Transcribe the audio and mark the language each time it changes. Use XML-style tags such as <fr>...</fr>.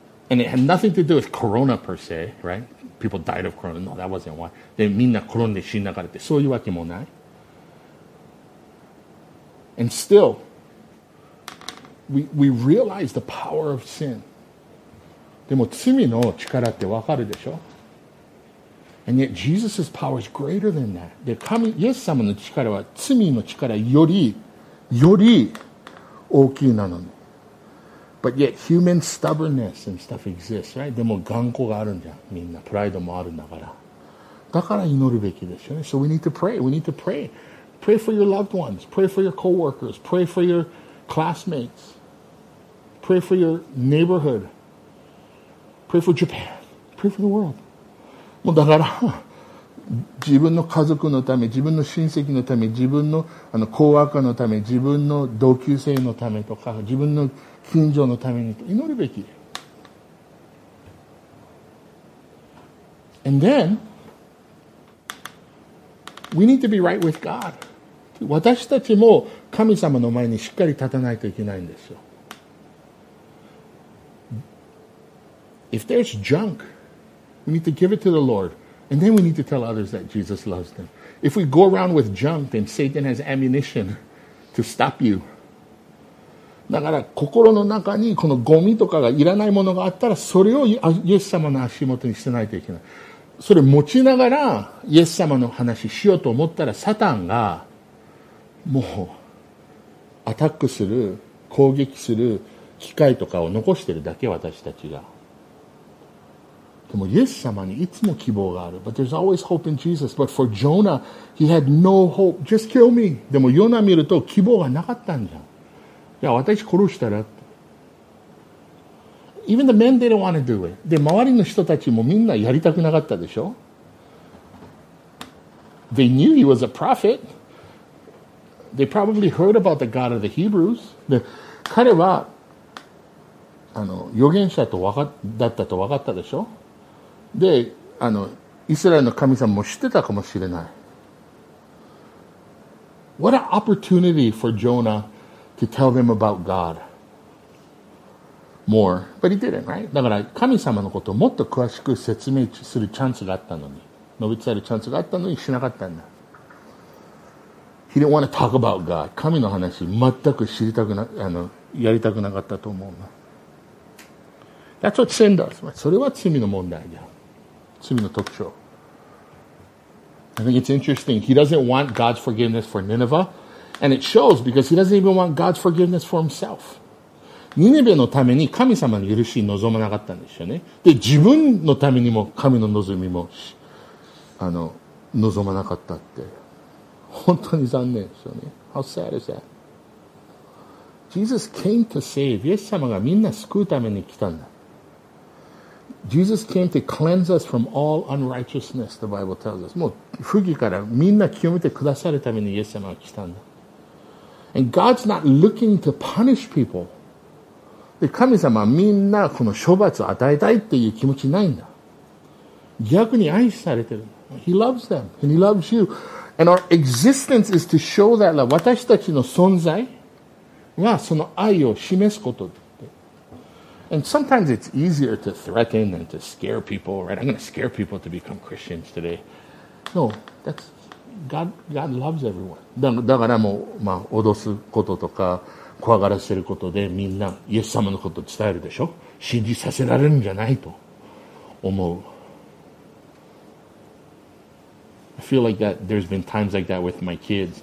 <en>And it had nothing to do with corona per se, right? People died of corona. No, that wasn't why.</en> <ja>で、みんなコロナで死んだからって、そういうわけもない。</ja> <en>And still, we realize the power of sin.</en> <ja>でも罪の力ってわかるでしょ?</ja> <en>And yet Jesus' power is greater than that.</en> <ja>で、神、イエス様の力は罪の力より、より大きいなの。</ja> <en>But yet, human stubbornness and stuff exists, right?</en> <ja>でも頑固があるんじゃん、みんな。プライドもあるんだから。だから祈るべきですよね。</ja> <en>So we need to pray. We need to pray. Pray for your loved ones. Pray for your coworkers. Pray for your classmates. Pray for your neighborhood. Pray for Japan. Pray for the world.</en> <ja>もうだから、自分の家族のため、自分の親戚のため、自分の、あの、コーワーカーのため、自分の同級生のためとか、自分の近所のために祈るべき。</ja> <en>And then we need to be right with God.</en> <ja>私たちも神様の前にしっかり立たないといけないんですよ。</ja> <en>If there's junk, we need to give it to the Lord. And then we need to tell others that Jesus loves them. If we go around with junk, then Satan has ammunition to stop you.</en> <ja>だから心の中にこのゴミとかがいらないものがあったら、それをイエス様の足元に捨てないといけない。それ持ちながらイエス様の話しようと思ったら、サタンがもうアタックする攻撃する機会とかを残してるだけ、私たちが。でもイエス様にいつも希望がある。</ja> <en>But there's always hope in Jesus. But for Jonah, he had no hope. Just kill me.</en> <ja>でもヨナ見ると希望がなかったんじゃん。いや、私殺したら。</ja> <en>Even the men, they don't want to do it.</en> <ja>で、周りの人たちもみんなやりたくなかったでしょ?</ja> <en>They knew he was a prophet. They probably heard about the God of the Hebrews.</en> <ja>で、彼は、あの、預言者とだったと分かったでしょ? で、あの、イスラエルの神様も知ってたかもしれない。</ja> <en>What an opportunity for Jonah. To tell them about God more. But he didn't, right?</en> <ja>だから神様のことをもっと詳しく説明するチャンスがあったのに、述べ伝えるチャンスがあったのにしなかったんだ。</ja> <en>He didn't want to talk about God.</en> <ja>神の話全く知りたくな、あの、やりたくなかったと思うな。</ja> <en>That's what sin does.</en> <ja>それは罪の問題だ。罪の特徴。</ja> <en>I think it's interesting. He doesn't want God's forgiveness for Nineveh. And it shows because he doesn't even want God's forgiveness for himself.</en> <ja>ニネベのために神様の許し望まなかったんですよね。で、自分のためにも神の望みも、あの、望まなかったって。本当に残念ですよね。</ja> <en>How sad is that? Jesus came to save.</en> <ja>イエス様がみんな救うために来たんだ。</ja> <en>Jesus came to cleanse us from all unrighteousness, the Bible tells us.</en> <ja>もう、不義からみんな清めてくださるためにイエス様が来たんだ。</ja> <en>And God's not looking to punish people.</en> <ja>で、神様はみんなこの処罰を与えたいっていう気持ちないんだ。逆に愛されてる。</ja> <en>He loves them and he loves you. And our existence is to show that love.</en> <ja>私たちの存在はその愛を示すことで。</ja> <en>And sometimes it's easier to threaten and to scare people, right? I'm going to scare people to become Christians today. No, that's... God loves everyone.</en> <ja>だからもう、まあ、脅すこととか怖がらせることでみんなイエス様のことを伝えるでしょ。信じさせられるんじゃないと思う。</ja> <en>I feel like that there's been times like that with my kids.</en>